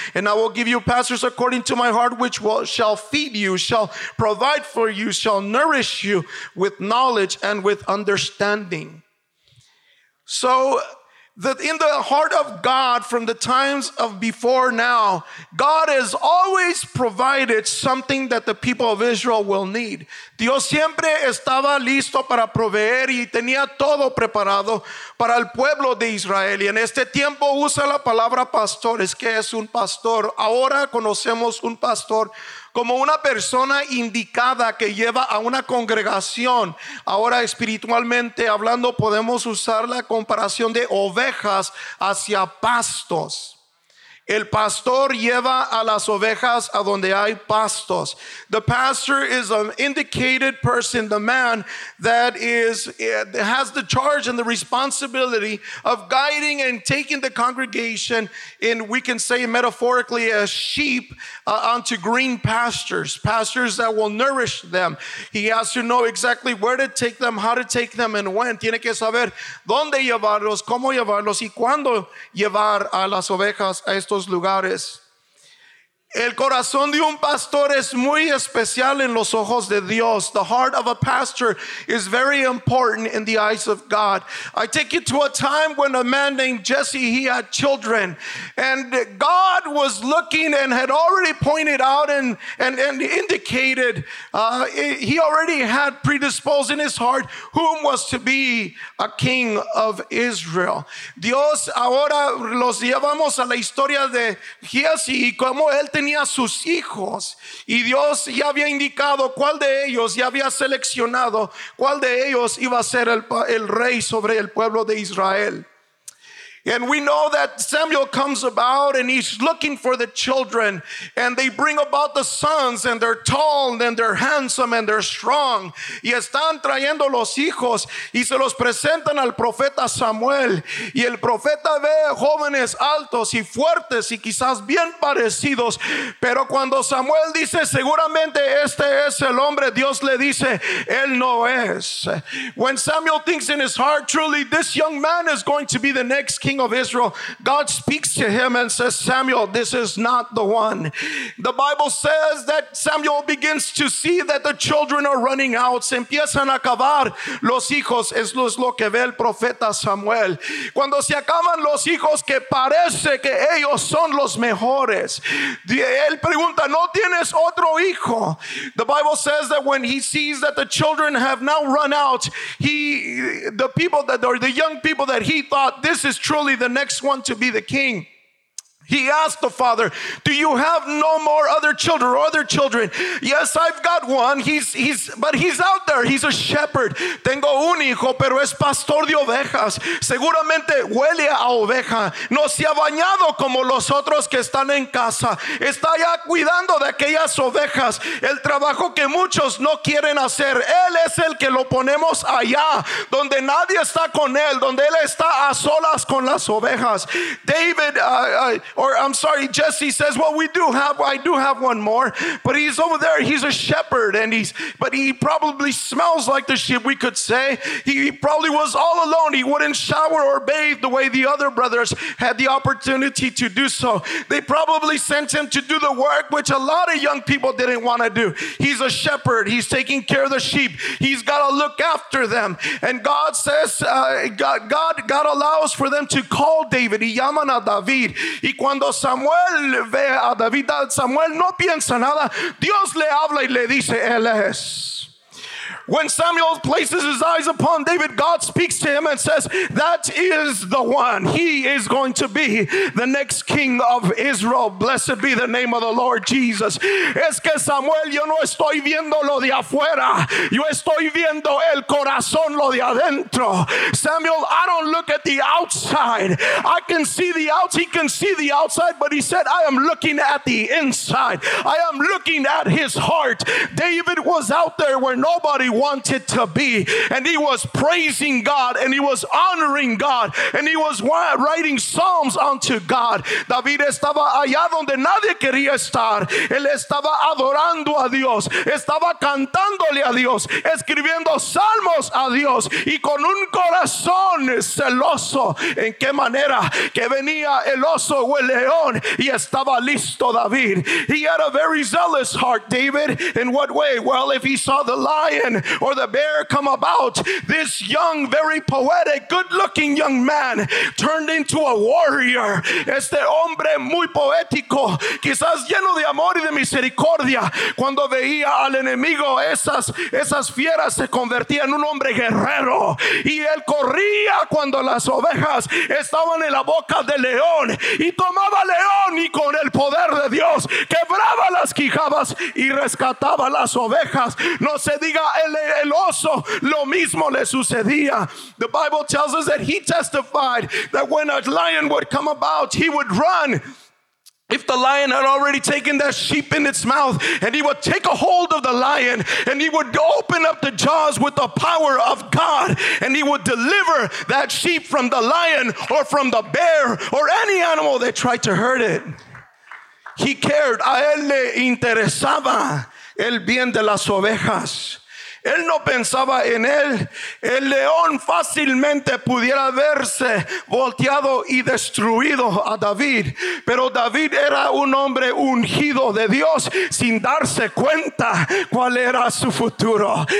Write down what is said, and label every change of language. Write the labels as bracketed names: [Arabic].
[English] And I will give you pastors according to my heart, which shall feed you, shall provide for you, shall nourish you with knowledge and with understanding. So that in the heart of God, from the times of before now, God has always provided something that the people of Israel will need. [Spanish] Dios siempre estaba listo para proveer y tenía todo preparado para el pueblo de Israel. Y en este tiempo usa la palabra pastores, que es un pastor. Ahora conocemos un pastor como una persona indicada que lleva a una congregación. Ahora espiritualmente hablando, podemos usar la comparación de ovejas hacia pastos. El pastor lleva a las ovejas a donde hay pastos. [English] The pastor is an indicated person, the man that is has the charge and the responsibility of guiding and taking the congregation, in we can say metaphorically, as sheep onto green pastures, pastures that will nourish them. He has to know exactly where to take them, how to take them, and when. [Spanish] Tiene que saber dónde llevarlos, cómo llevarlos, y cuándo llevar a las ovejas a estos lugares. El corazón de un pastor es muy especial en los ojos de Dios. [English] The heart of a pastor is very important in the eyes of God. I take you to a time when a man named Jesse, he had children, and God was looking and had already pointed out and indicated, he already had predisposed in his heart whom was to be a king of Israel. [Spanish] Dios, ahora los llevamos a la historia de Jesse y cómo él tenía sus hijos, y Dios ya había indicado cuál de ellos, ya había seleccionado cuál de ellos iba a ser el rey sobre el pueblo de Israel. [English] And we know that Samuel comes about and he's looking for the children, and they bring about the sons, and they're tall and they're handsome and they're strong. [Spanish] Y están trayendo los hijos y se los presentan al profeta Samuel. Y el profeta ve jóvenes altos y fuertes y quizás bien parecidos. Pero cuando Samuel dice, seguramente este es el hombre, Dios le dice, él no es. [English] When Samuel thinks in his heart, truly this young man is going to be the next king of Israel, God speaks to him and says, Samuel, this is not the one. The Bible says that Samuel begins to see that the children are running out. [Spanish] Se empiezan a acabar los hijos. Eso es lo que ve el profeta Samuel. Cuando se acaban los hijos, que parece que ellos son los mejores, él pregunta, ¿no tienes otro hijo? [English] The Bible says that when he sees that the children have now run out, the young people that he thought, this is truly the next one to be the king, he asked the father, do you have no more other children or other children? Yes, I've got one. But he's out there. He's a shepherd. [Spanish] Tengo un hijo, pero es pastor de ovejas. Seguramente huele a oveja. No se ha bañado como los otros que están en casa. Está ya cuidando de aquellas ovejas. El trabajo que muchos no quieren hacer. Él es el que lo ponemos allá, donde nadie está con él, donde él está a solas con las ovejas. David, [English] Or I'm sorry, Jesse says, well, I do have one more, but he's over there. He's a shepherd, but he probably smells like the sheep, we could say. He probably was all alone. He wouldn't shower or bathe the way the other brothers had the opportunity to do so. They probably sent him to do the work, which a lot of young people didn't want to do. He's a shepherd. He's taking care of the sheep. He's got to look after them. And God says, God allows for them to call David. [Spanish] Y llaman a David. Y cuando Samuel ve a David, Samuel no piensa nada. Dios le habla y le dice, él es. [English] When Samuel places his eyes upon David, God speaks to him and says, that is the one. He is going to be the next king of Israel. Blessed be the name of the Lord Jesus. [Spanish] Es que Samuel, yo no estoy viendo lo de afuera. Yo estoy viendo el corazón, lo de adentro. [English] Samuel, I don't look at the outside. I can see the outside. He can see the outside, but he said, I am looking at the inside. I am looking at his heart. David was out there where nobody wanted to be, and he was praising God, and he was honoring God, and he was writing psalms unto God. [Spanish] David estaba allá donde nadie quería estar. Él estaba adorando a Dios, estaba cantándole a Dios, escribiendo salmos a Dios, y con un corazón celoso. ¿En qué manera? Que venía el oso o el león, y estaba listo David. [English] He had a very zealous heart, David. In what way? Well, if he saw the lion or the bear come about, this young, very poetic, good-looking young man turned into a warrior. [Spanish] Este hombre muy poético, quizás lleno de amor y de misericordia, cuando veía al enemigo, esas fieras se convertían en un hombre guerrero. Y él corría cuando las ovejas estaban en la boca del león, y tomaba león, y con el poder de Dios quebraba las quijadas y rescataba las ovejas. No se diga el oso, lo mismo le sucedía. [English] The Bible tells us that he testified that when a lion would come about, he would run. If the lion had already taken that sheep in its mouth, and he would take a hold of the lion, and he would open up the jaws with the power of God, and he would deliver that sheep from the lion or from the bear or any animal that tried to hurt it. He cared. [Spanish] A él le interesaba el bien de las ovejas. Él no pensaba en él. El león fácilmente pudiera verse volteado y destruido a David. Pero David era un hombre ungido de Dios sin darse cuenta cuál era su futuro.